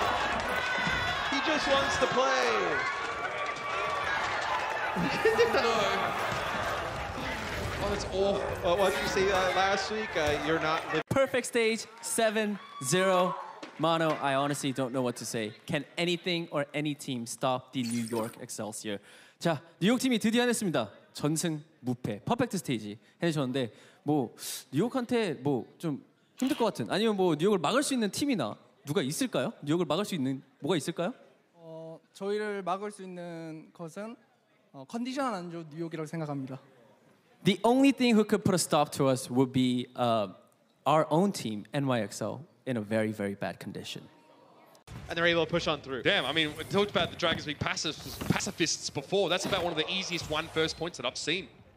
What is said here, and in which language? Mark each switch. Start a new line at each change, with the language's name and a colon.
English: Oh. He just wants to play. No. Oh, it's awful. Well, what did you say last week? You're not living. Perfect stage, 7-0. Mono, I honestly don't know what to say. Can anything or any team stop the New York Excelsior?
Korean: 자, 뉴욕팀이 드디어 해냈습니다. 전승 무패, 퍼펙트 스테이지 해내셨는데 뭐 뉴욕한테 뭐 좀 힘들 것 같은 아니면 뭐 뉴욕을 막을 수 있는 팀이나 누가 있을까요? 뉴욕을 막을 수 있는 뭐가 있을까요? 저희를 막을 수 있는 것은 컨디션 안 좋은 뉴욕이라고 생각합니다.
English: The only thing who could put a stop to us would be our own team, NYXL, in a very, very bad condition. And they're able to push on through. Damn, I mean, we talked about the Dragons being pacifists before. That's about one of the easiest one first points that I've seen.